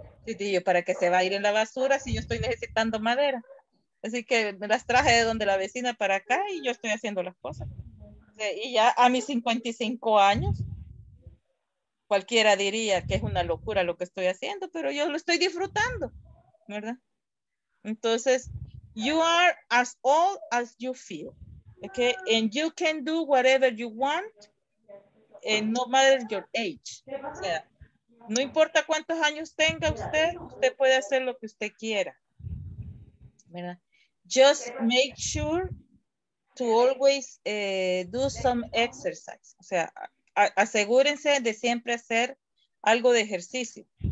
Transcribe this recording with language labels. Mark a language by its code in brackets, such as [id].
[es] Y dije, ¿para qué se va a ir en la basura si yo estoy necesitando madera? Así que me las traje de donde la vecina para acá y yo estoy haciendo las cosas. Y ya a mis 55 años, cualquiera diría que es una locura lo que estoy haciendo, pero yo lo estoy disfrutando, ¿verdad? Entonces, [en] you are as old as you feel, okay? And you can do whatever you want. No matter your age. [es] O sea, no importa cuántos años tenga usted, usted puede hacer lo que usted quiera, ¿verdad? [en] Just make sure to always do some exercise. [es] O sea, asegúrense de siempre hacer algo de ejercicio.